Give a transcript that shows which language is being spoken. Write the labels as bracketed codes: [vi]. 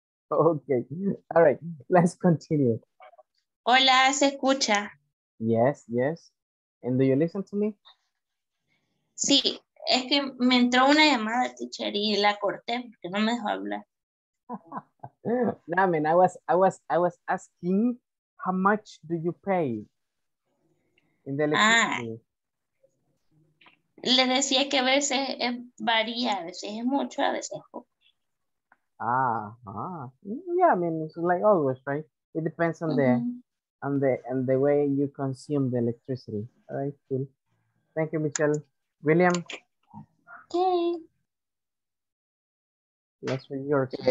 [en] Okay. All right. Let's continue. [es] Hola, ¿se escucha? [en] Yes, yes. And do you listen to me? [es] Sí, es que me entró una llamada, teacher, y la corté porque no me dejó hablar. [en] No, I mean, I was asking how much do you pay in the electricity. Ah. [es] Le decía que a veces varía, a veces es mucho, a veces es poco. [en] Ah, yeah, I mean, it's like always, right? It depends on mm-hmm. the way you consume the electricity. All right, cool. Thank you, Michelle. William? Okay. That's for your